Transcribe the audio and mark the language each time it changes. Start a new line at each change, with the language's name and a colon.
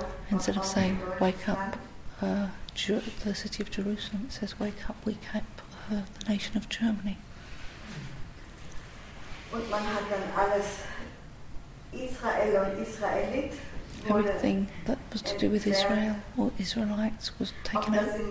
English: Instead of saying, wake up, the city of Jerusalem, it says, wake up, we keep the nation of Germany.
German: Und man hat dann alles Israel und Israelit
English: everything that was to do with Israel or Israelites was taken out.